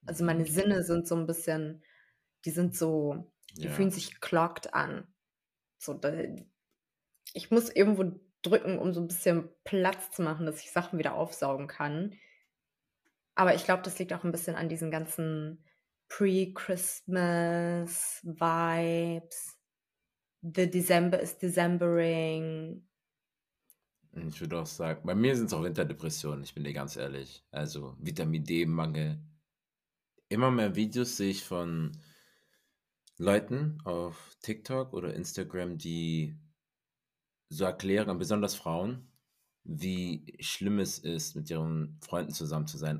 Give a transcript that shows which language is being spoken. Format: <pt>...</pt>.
<de>Also meine Sinne sind so ein bisschen, fühlen sich clogged an. So, ich muss irgendwo drücken, um so ein bisschen Platz zu machen, dass ich Sachen wieder aufsaugen kann. Aber ich glaube, das liegt auch ein bisschen an diesen ganzen Pre-Christmas-Vibes.</de> <en>The December is Decembering.</en> <de>Ich würde auch sagen, bei mir sind es auch Winterdepressionen, ich bin dir ganz ehrlich. Also Vitamin D-Mangel. Immer mehr Videos sehe ich von Leuten auf TikTok oder Instagram, die so erklären, besonders Frauen, wie schlimm es ist, mit ihren Freunden zusammen zu sein.</de>